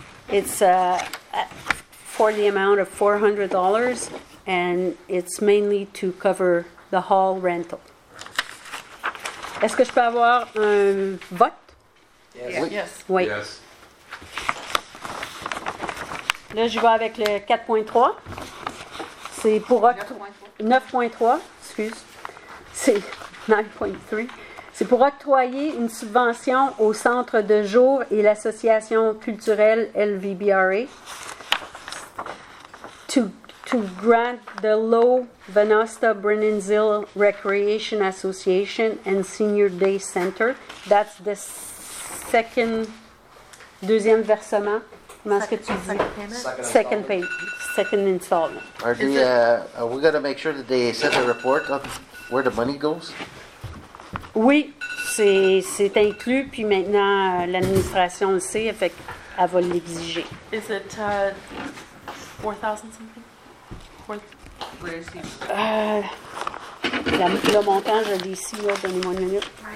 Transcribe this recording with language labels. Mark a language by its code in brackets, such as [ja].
[en] It's for the amount of $400 and it's mainly to cover the hall rental. [fr] Est-ce que je peux avoir un vote? [en] Yes. [fr] Oui. [en] Yes. [fr] Oui. [en] Yes. [fr] Là, je vais avec le 4.3. C'est pour 9.3, excuse. C'est 9.3. C'est pour octroyer une subvention au Centre de jour et l'association culturelle LVBRA [en] to grant the Low Venosta Bruninzil Recreation Association and Senior Day Center. That's the [fr] deuxième versement. Comment est-ce que tu dis? [en] Second payment. Second installment. Are we going to make sure that they send a report of where the money goes? [fr] Oui, c'est inclus, puis maintenant l'administration le sait, fait qu'elle va l'exiger. [en] Is it 4,000 something? Where is he? [fr] Le montant, je l'ai ici, là, donnez-moi une minute.